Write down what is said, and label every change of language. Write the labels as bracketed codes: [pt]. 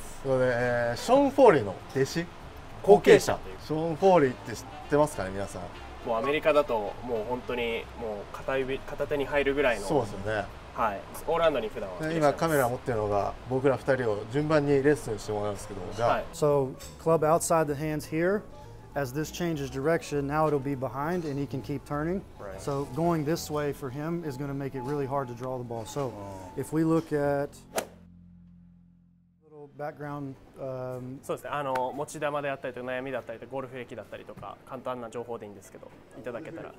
[ja] それで、ショーン・フォーリーの弟子、後継者。ショーン・フォーリーって知ってますかね、皆さん。もうアメリカだともう本当にもう 片手に入るぐらいの。そうですよね。はい、オーランドに普段は。今カメラ持ってるのが僕ら2人を順番にレッスンしてもらうんですけど、 [en] はい、So club outside the hands hereAs this changes direction, now it'll be behind and he can keep turning. Right. So going this way for him is going to make it really hard to draw the ball. So if we look at a little background. [ja] そうですね。持ち球であったりとか悩みだったりとかゴルフ歴だったりとか簡単な情報でいいんですけど、いただけたら。